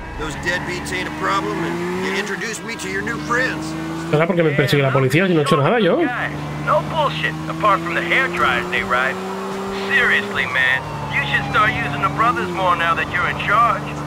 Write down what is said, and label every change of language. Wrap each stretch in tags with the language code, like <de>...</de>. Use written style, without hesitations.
<en>Those deadbeats ain't a problem, and you introduced me to your new friends.</en> <es>¿Será porque me persigue la policía si no he hecho nada yo?</es> <en>No bullshit, apart from the hair dryers they ride. Seriously, man, you should start using the brothers more now that you're in charge.</en>